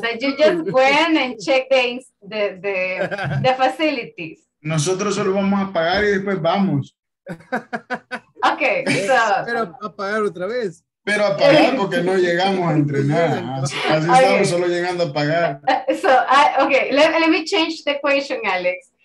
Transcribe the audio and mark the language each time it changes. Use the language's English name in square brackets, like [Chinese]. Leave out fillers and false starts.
[English] That you just went and checked the facilities. [Spanish] Nosotros solo vamos a pagar y después vamos. [English] Okay, so [Spanish] pero a pagar otra vez. Pero a pagar porque no llegamos a entrenar. Así okay. Estamos solo llegando a pagar. [English] So okay, let me change the question, Alex.